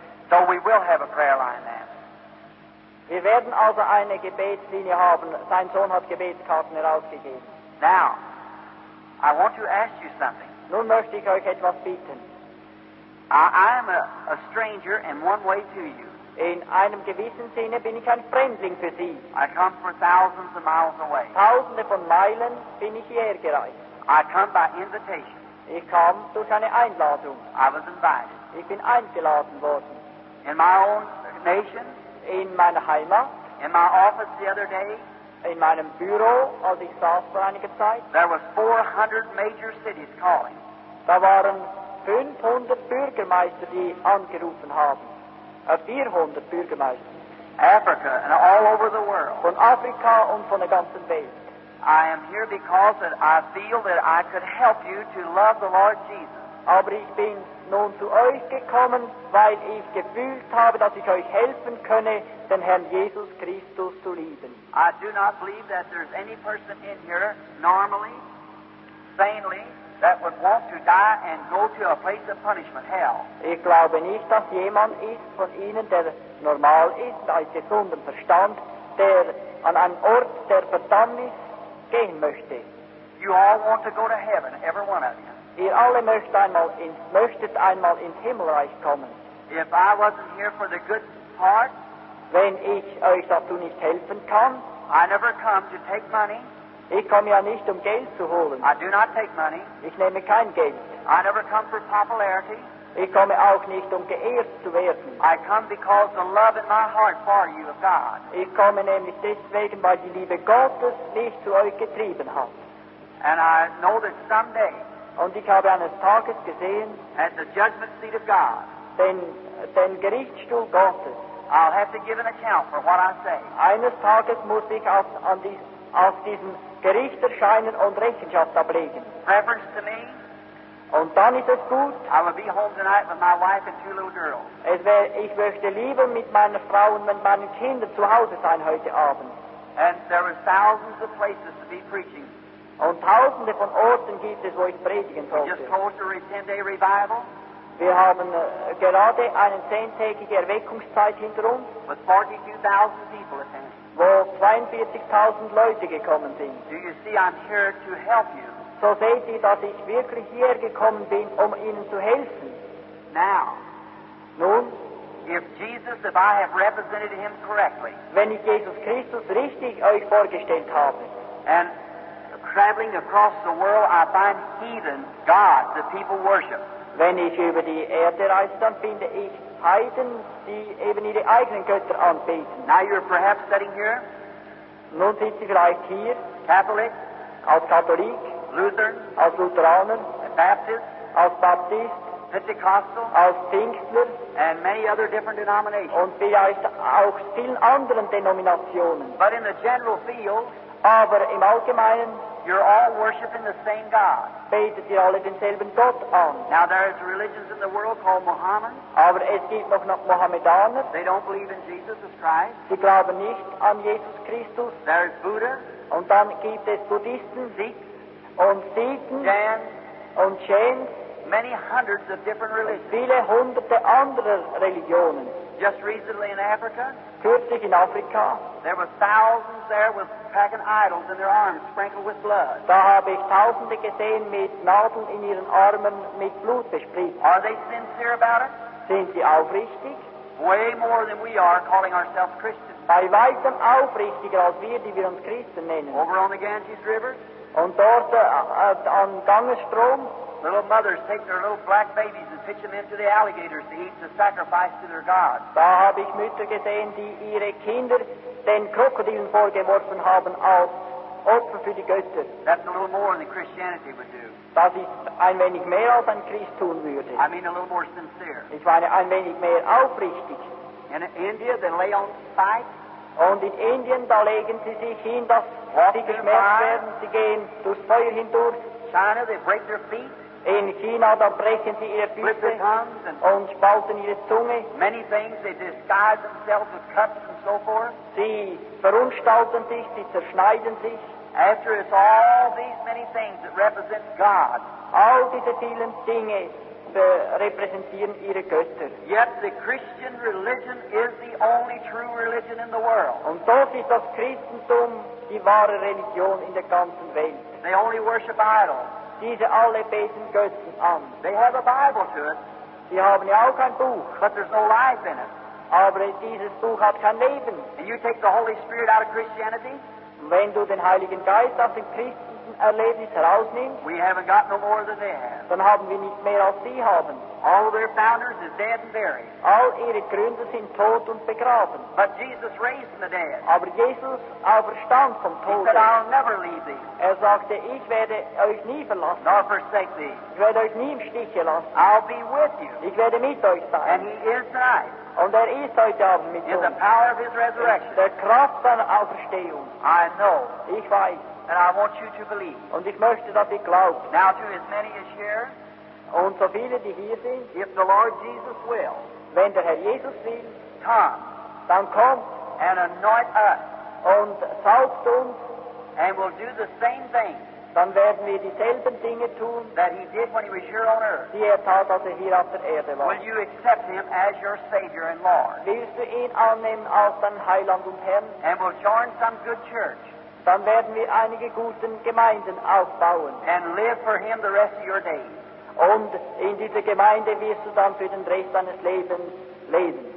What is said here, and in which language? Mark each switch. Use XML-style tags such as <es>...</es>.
<en>So we will have a prayer line then.</en> <de>Wir werden also eine Gebetslinie haben. Sein Sohn hat Gebetskarten herausgegeben.</de> <en>Now, I want to ask you something.</en> <de>Nun möchte ich euch etwas bitten.</de> <en>I am a stranger in one way to you.</en> <de>In einem gewissen Sinne bin ich ein Fremdling für Sie.</de> <en>I come from thousands of miles away.</en> <de>Tausende von Meilen bin ich hierher gereist.</de> <en>I come by invitation.</en> <de>Ich kam durch eine Einladung.</de> <en>I was invited.</en> <de>Ich bin eingeladen worden.</de> <en>In my own nation.</en> <de>In meiner Heimat.</de> <en>In my office the other day.</en> <de>In meinem Büro, als ich saß vor einiger Zeit.</de> <en>There was 400 major cities calling.</en> <de>Da waren 500 Bürgermeister, die angerufen haben. 400 Bürgermeister.</de> <en>Africa and all over the world.</en> <de>Von Afrika und von der ganzen Welt.</de> <en>I am here because that I feel that I could help you to love the Lord Jesus.</en> <de>Aber ich bin nun zu euch gekommen, weil ich gefühlt habe, dass ich euch helfen könne, den Herrn Jesus Christus zu lieben.</de> <en>I do not believe that there's any person in here, normally, sanely, that would want to die and go to a place of punishment, hell.</en> <de>Ich glaube nicht, dass jemand ist von Ihnen, der normal ist, als gesunden Verstand, der an einen Ort der Verdammnis gehen möchte.</de> <en>You all want to go to heaven, every one of you.</en> <de>Ihr alle möchtet einmal ins Himmelreich kommen.</de> <en>If I wasn't here for the good part,</en> <de>wenn ich euch dazu nicht helfen kann,</de> <en>I never come to take money.</en> <de>Ich komme ja nicht, um Geld zu holen.</de> <en>I do not take money.</en> <de>Ich nehme kein Geld.</de> <en>I never come for popularity.</en> <de>Ich komme auch nicht, um geehrt zu werden.</de> <en>I come because the love in my heart for you of God.</en> <de>Ich komme nämlich deswegen, weil die Liebe Gottes mich zu euch getrieben hat.</de> <en>And I know that someday,</en> <de>und ich habe eines Tages gesehen,</de> <en>at the judgment seat of God,</en> <de>den Gerichtsstuhl Gottes,</de> <en>I'll have to give an account for what I say.</en> <de>Eines Tages muss ich auf diesem Gericht erscheinen und Rechenschaft ablegen.</de> <en>Reverence to me.</en> <de>Und dann ist es gut.</de> <en>I will be home tonight with my wife and two little girls.</en> <de>Ich möchte lieber mit meiner Frau und mit meinen Kindern zu Hause sein heute Abend.</de> <en>And there are thousands of places to be preaching.</en> <de>Und tausende von Orten gibt es, wo ich predigen sollte.</de> <en>We just hold a 10-day revival.</en> <de>Wir haben gerade eine 10-tägige Erweckungszeit hinter uns,</de> <en>with 42,000 people attending.</en> <de>Wo 42,000 Leute gekommen sind.</de> <en>Do you see I'm here to help you?</en> <de>So seht ihr, dass ich wirklich hier gekommen bin, um Ihnen zu helfen.</de> <en>Now,</en> <de>nun,</de> <en>if I have represented him correctly,</en> <de>wenn ich Jesus Christus richtig euch vorgestellt habe,</de> <en>and traveling across the world, I find heathen gods that people worship.</en> <de>Wenn ich über die Erde reise, dann finde ich Heiden, die eben ihre eigenen Götter anbeten.</de> <en>Now you're perhaps sitting here.</en> <de>Nun sitzt ihr vielleicht hier.</de> <en>Catholic.</en> <de>Als Katholik.</de> <en>Lutheran.</en> <de>Als Lutheraner.</de> <en>Baptist.</en> <de>Als Baptist.</de> <en>Pentecostal.</en> <de>Als Pfingstler.</de> <en>And many other different denominations.</en> <de>Und vielleicht auch vielen anderen Denominationen.</de> <en>But in the general field.</en> <de>Aber im Allgemeinen.</de> <en>You're all worshiping the same God.</en> <de>Betet ihr alle denselben Gott an.</de> <en>Now there is religions in the world called Mohammed.</en> <de>Aber es gibt noch Mohammedaner.</de> <en>They don't believe in Jesus as Christ.</en> <de>Sie glauben nicht an Jesus Christus.</de> <en>There is Buddha.</en> <de>Und dann gibt es Buddhisten.</de> <en>Sikhs.</en> <de>Und Sikhen.</de> <en>Jains.</en> <de>Und Jains.</de> <en>Many hundreds of different religions.</en> <de>Und viele hunderte andere Religionen.</de> <en>Just recently in Africa.</en> <de>Kürzlich in Afrika.</de> <en>There were thousands there with pagan idols in their arms, sprinkled with blood.</en> <de>Da habe ich Tausende gesehen mit Nadeln in ihren Armen mit Blut besprüht.</de> <en>Are they sincere about it?</en> <de>Sind sie aufrichtig?</de> <en>Way more than we are calling ourselves Christians.</en> <de>Bei weitem aufrichtiger als wir, die wir uns Christen nennen.</de> <en>Over on the Ganges River.</en> <de>Und dort am Gangesstrom.</de> <en>Little mothers take their little black babies and pitch them into the alligators to eat the sacrifice to their gods.</en> <de>Da habe ich Mütter gesehen, die ihre Kinder den Krokodilen vorgeworfen haben als Opfer für die Götter.</de> <en>That's a little more than Christianity would do.</en> <de>Das ist ein wenig mehr, als ein Christ tun würde.</de> <en>I mean a little more sincere.</en> <de>Ich meine ein wenig mehr aufrichtig.</de> <en>In India, they lay on spikes.</en> <de>Und in Indien, da legen sie sich hin, dass sie geschmerzt werden. Sie gehen durchs Feuer hindurch.</de> <en>China, they break their feet.</en> <de>In China, da brechen sie ihre Füße und spalten ihre Zunge.</de> <en>Many things, they disguise themselves with cuts and so forth.</en> <de>Sie verunstalten sich, sie zerschneiden sich.</de> <en>After it's all these many things that represent God.</en> <de>All diese vielen Dinge repräsentieren ihre Götter.</de> <en>Yet the Christian religion is the only true religion in the world.</en> <de>Und doch ist das Christentum die wahre Religion in der ganzen Welt.</de> <en>They only worship idols.</en> <de>Diese alle beten Götzen an.</de> <en>They have a Bible to it.</en> <de>Sie haben ja auch ein Buch.</de> <en>But there's no life in it.</en> <de>Aber dieses Buch hat kein Leben.</de> <en>And you take the Holy Spirit out of Christianity?</en> <de>Wenn du den Heiligen Geist aus dem Christen Erlebnis herausnimmst,</de> <en>we haven't got no more than they have.</en> <de>Dann haben wir nicht mehr als sie haben.</de> <en>All their founders is dead and buried.</en> <de>All ihre Gründer sind tot und begraben.</de> <en>But Jesus raised the dead.</en> <de>Aber Jesus auferstand vom Tod.</de> <en>He said, I'll never leave thee.</en> <de>Er sagte, ich werde euch nie verlassen.</de> <en>Nor forsake thee.</en> <de>Ich werde euch nie im Stich lassen.</de> <en>I'll be with you.</en> <de>Ich werde mit euch sein.</de> <en>And he is tonight.</en> <de>Und ist heute Abend mit in uns.</de> <en>The power of his resurrection.</en> <de>Der Kraft seiner Auferstehung.</de> <en>I know.</en> <de>Ich weiß.</de> <en>And I want you to believe.</en> <de>Und ich möchte, dass ihr glaubt.</de> <en>Now to as many as share.</en> <de>Und so viele, die hier sind,</de> <en>if the Lord Jesus will,</en> <de>wenn der Herr Jesus will,</de> <en>come,</en> <de>dann kommt,</de> <en>and anoint us,</en> <de>und salbt uns,</de> <en>and will do the same thing,</en> <de>dann werden wir dieselben Dinge tun,</de> <en>that he did when he was here on earth,</en> <de>die tat, als hier auf der Erde war.</de> <en>Will you accept him as your Savior and Lord?</en> <de>Willst du ihn annehmen als dein Heiland und Herrn?</de> <en>And will join some good church,</en> <de>dann werden wir einige guten Gemeinden aufbauen,</de> <en>and live for him the rest of your days.</en> <de>Und in dieser Gemeinde wirst du dann für den Rest deines Lebens leben.</de>